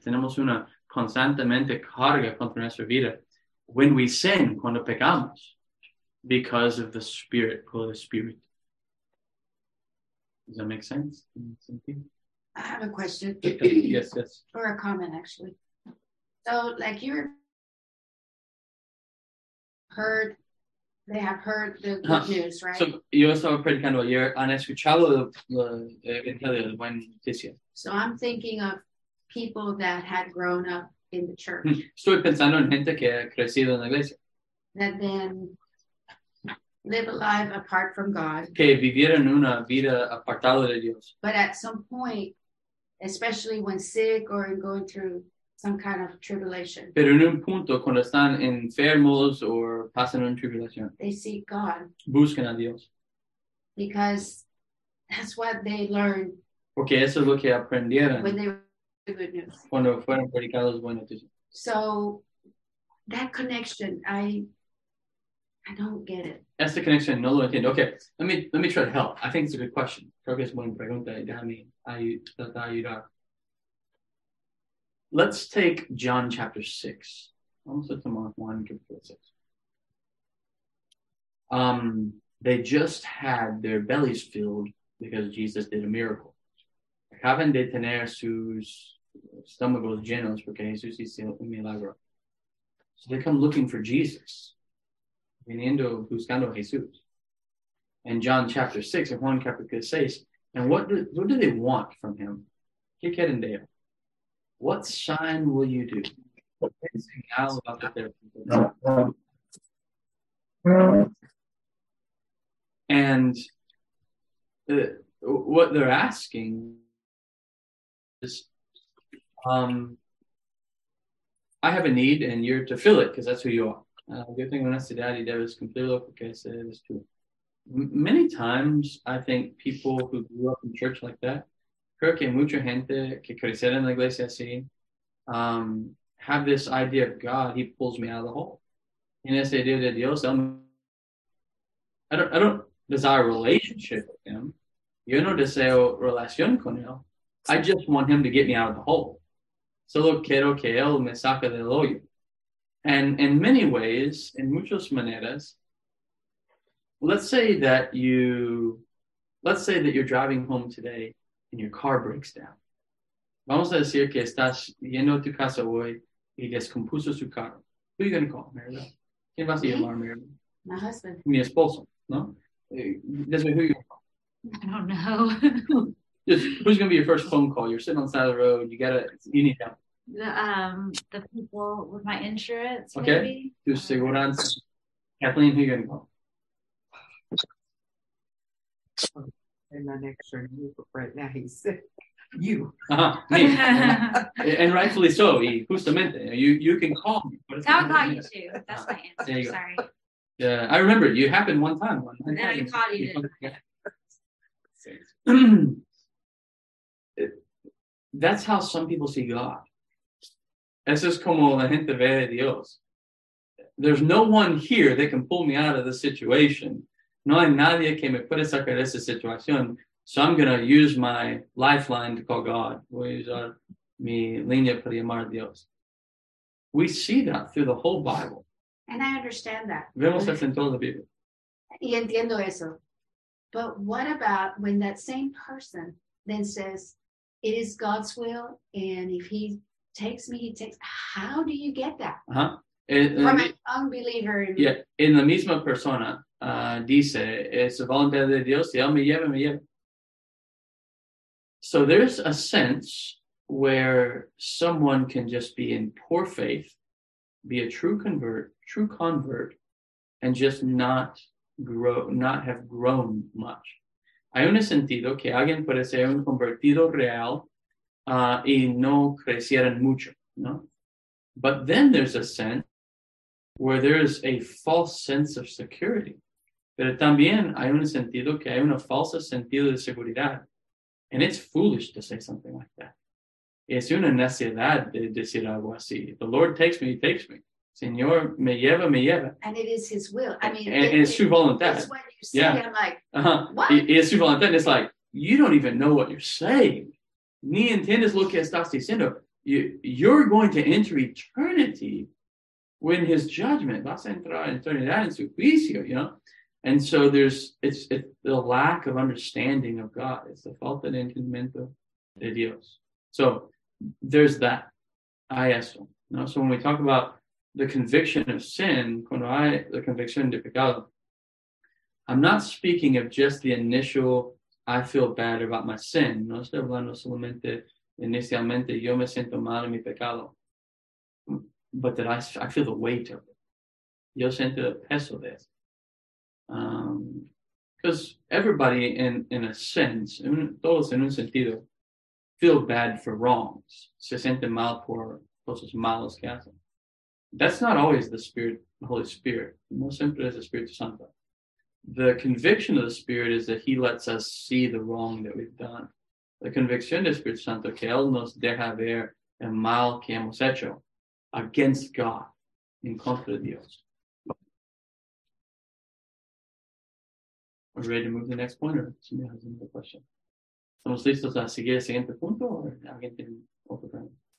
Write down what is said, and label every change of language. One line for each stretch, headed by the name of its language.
Spanish: Tenemos una constantemente carga contra nuestra vida
English: when we sin,
Spanish: cuando pecamos,
English: because of the Spirit,
Spanish: por el Espíritu.
English: Does that make sense? I have a question. Yes, yes. Or a comment, actually. So, like, you heard, they have heard the good news, right? So,
Spanish: yo estaba predicando ayer, han escuchado el Evangelio, la buena noticia.
English: So, I'm thinking of people that had grown up in the church.
Spanish: Estoy pensando en gente que ha crecido en la iglesia.
English: That then live a life apart from God.
Spanish: Que vivieron una vida apartada de Dios.
English: But at some point, especially when sick or going through some kind of tribulation.
Spanish: Pero en un punto, cuando están enfermos o pasan una tribulación.
English: They seek God.
Spanish: Buscan a Dios.
English: Because that's what they learned.
Spanish: Porque eso es lo que aprendieron.
English: When they were the good news.
Spanish: Cuando fueron predicados buena noticia.
English: So, that connection, I don't get it.
Spanish: Esta conexión no lo entiendo.
English: Okay, let me try to help. I think it's a good question.
Spanish: Creo que es buena pregunta. Déjame tratar de ayudar.
English: Let's take John chapter 6.
Spanish: Vamos a tomar Juan capítulo 6.
English: They just had their bellies filled because Jesus did a miracle.
Spanish: Acaban de tener sus estómagos llenos porque Jesús hizo un milagro.
English: So they come looking for Jesus.
Spanish: Viniendo buscando Jesús.
English: And John chapter 6,
Spanish: and Juan capítulo 6.
English: And what do they want from him?
Spanish: ¿Qué quieren de él?
English: What sign will you do?
Spanish: ¿Qué señal va a hacer?
English: And what they're asking is, I have a need, and you're to fill it, because that's who you are.
Spanish: Yo tengo necesidad y debes cumplirlo porque ese es tú.
English: Many times, I think people who grew up in church like that,
Spanish: creo que mucha gente que crecieron en la iglesia así,
English: have this idea of God, he pulls me out of the hole.
Spanish: Tiene esa idea de Dios,
English: I don't desire a relationship with him.
Spanish: Yo no deseo relación con él.
English: I just want him to get me out of the hole.
Spanish: Solo quiero que él me saque del hoyo.
English: And in many ways,
Spanish: in muchas maneras,
English: let's say that you're driving home today and your car breaks down.
Spanish: Vamos a decir que estás yendo a tu casa hoy y descompuso su carro.
English: Who are you going to call, Mary?
Spanish: ¿Quién vas a llamar, Mary?
English: My husband.
Spanish: Mi esposo, ¿no?
English: That's who you're going to call. I don't know. Who's going to be your first phone call? You're sitting on the side of the road. You need help. The people with my insurance, okay. Maybe.
Spanish: Tu seguranza.
English: Kathleen, who are you going to call? And my next turn, you, right now he's sick. You. Me. And rightfully so,
Spanish: justamente.
English: You can call me. I'll call you too. That's my answer. Sorry. Yeah, I remember. You happened one time. No, you called you. That's how some people see God.
Spanish: Eso es como la gente ve a Dios.
English: There's no one here that can pull me out of this situation.
Spanish: No hay nadie que me pueda sacar de esta situación.
English: So I'm going to use my lifeline to call God.
Spanish: Voy a usar mi línea para llamar a Dios.
English: We see that through the whole Bible. And I understand that.
Spanish: Vemos eso en toda la Biblia. Y entiendo eso.
English: But what about when that same person then says, it is God's will, and if he takes me, how do you get that? From an unbeliever. Yeah, in
Spanish: la misma persona, dice, es la voluntad de Dios, y él me lleva.
English: So there's a sense where someone can just be in poor faith, be a true convert, and just not have grown much.
Spanish: Hay un sentido que alguien puede ser un convertido real y no crecieran mucho, ¿no?
English: But then there's a sense where there is a false sense of security.
Spanish: Pero también hay un sentido que hay una falsa sentido de seguridad.
English: And it's foolish to say something like that.
Spanish: Es una necedad de decir algo así.
English: The Lord takes me, he takes me.
Spanish: Señor, me lleva, me lleva.
English: And it is his will. I mean, and it's
Spanish: su voluntad.
English: That's when you see him like, what?
Spanish: Y es su voluntad.
English: And it's like, you don't even know what you're saying.
Spanish: Ni entiendes lo que estás diciendo.
English: You're going to enter eternity when his judgment.
Spanish: Vas a entrar en eternidad en su juicio,
English: you know? And so it's the lack of understanding of God. It's the
Spanish: falta de entendimiento de Dios.
English: So there's that.
Spanish: Hay eso, ¿no?
English: So when we talk about the conviction of sin,
Spanish: cuando hay la convicción de pecado,
English: I'm not speaking of just the initial, I feel bad about my sin.
Spanish: No estoy hablando solamente inicialmente, yo me siento mal en mi pecado.
English: But that I feel the weight of it.
Spanish: Yo siento el peso de eso.
English: Because everybody in a sense,
Spanish: todos en un sentido,
English: feel bad for wrongs.
Spanish: Se siente mal por cosas malas que hacen.
English: That's not always the Holy Spirit.
Spanish: No siempre es el Espíritu Santo.
English: The conviction of the Spirit is that he lets us see the wrong that we've done.
Spanish: La convicción del Espíritu Santo que él nos deja ver el mal que hemos hecho
English: against God,
Spanish: en contra de Dios.
English: Are we ready to move to the next point, or somebody has another question?
Spanish: ¿Estamos listos a seguir el siguiente punto,
English: or
Spanish: alguien tiene otro problema?